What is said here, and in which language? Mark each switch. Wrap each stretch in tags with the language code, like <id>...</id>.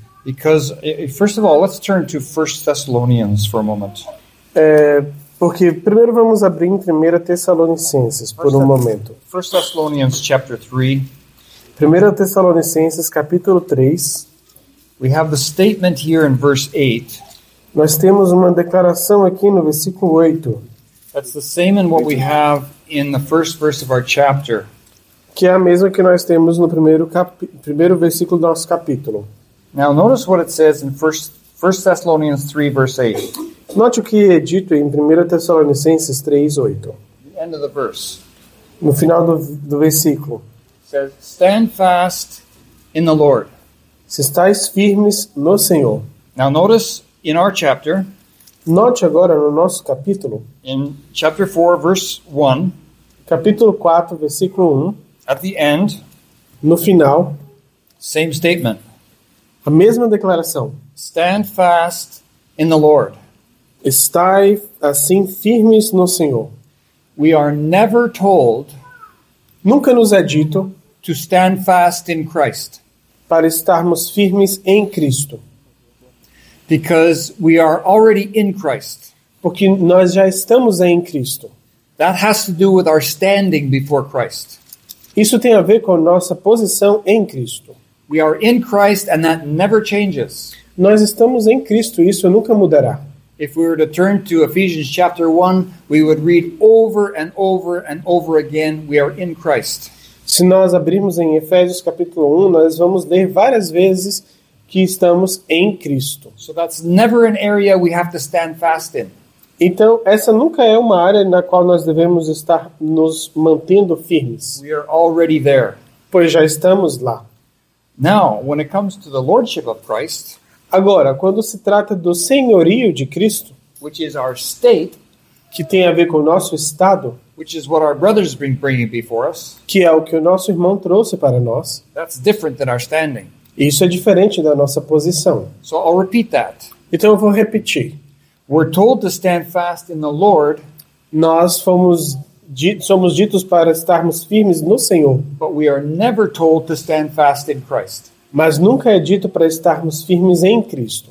<en>Because first of all, let's turn to 1 Thessalonians for a moment.</en> <pt>Porque primeiro vamos abrir em 1 Tessalonicenses por um momento.</pt> <en>1 Thessalonians chapter 3.</en> <pt>1 Tessalonicenses capítulo 3.</pt> <en>We have the statement here in verse 8.</en> <pt>Nós temos uma declaração aqui no versículo 8.</pt> <en>That's the same in what we have in the first verse of our chapter.</en> <pt>Que é a mesma que nós temos no primeiro versículo do nosso capítulo.</pt> <en>Now notice what it says in 1 Thessalonians 3 verse 8.</en> <pt>Note o que é dito em 1 Tessalonicenses 3, 8.</pt> <en>The end of the verse.</en> <pt>No final do versículo.</pt> <en>It says, stand fast in the Lord.</en> <pt>Se estais firmes no Senhor.</pt> <en>Now notice in our chapter.</en> <pt>Note agora no nosso capítulo.</pt> <en>In chapter 4, verse 1.</en> <pt>Capítulo 4, versículo 1.</pt> <en>At the end.</en> <pt>No final.</pt> <en>Same statement.</en> <pt>A mesma declaração.</pt> <en>Stand fast in the Lord.</en> <pt>Estai assim firmes no Senhor.</pt> <en>We are never told,</en> <pt>nunca nos é dito,</pt> <en>to stand fast in Christ,</en> <pt>para estarmos firmes em Cristo,</pt> <en>because we are already in Christ,</en> <pt>porque nós já estamos em Cristo.</pt> <en>That has to do with our standing before Christ.</en> <pt>Isso tem a ver com a nossa posição em Cristo.</pt> <en>We are in Christ and that never changes.</en> <pt>Nós estamos em Cristo e isso nunca mudará.</pt> <en>If we were to turn to Ephesians chapter 1, we would read over and over and over again, we are in Christ.</en> <pt>Se nós abrirmos em Efésios capítulo 1, nós vamos ler várias vezes que estamos em Cristo.</pt> <en>So that's never an area we have to stand fast in.</en> <pt>Então, essa nunca é uma área na qual nós devemos estar nos mantendo firmes.</pt> <en>We are already there.</en> <pt>Pois já estamos lá.</pt> <en>Now, when it comes to the Lordship of Christ,</en> <pt>agora, quando se trata do senhorio de Cristo,</pt> <en>which is our state,</en> <pt>que tem a ver com o nosso estado,</pt> <en>which is what our brothers been bringing before us,</en> <pt>que é o que o nosso irmão trouxe para nós,</pt> <en>that's different than our standing.</en> <pt>Isso é diferente da nossa posição.</pt> <en>So I'll repeat that.</en> <pt>Então eu vou repetir.</pt> <en>We're told to stand fast in the Lord,</en> <pt>nós fomos somos ditos para estarmos firmes no Senhor,</pt> <en>but we are never told to stand fast in Christ.</en> <pt>Mas nunca é dito para estarmos firmes em Cristo.</pt>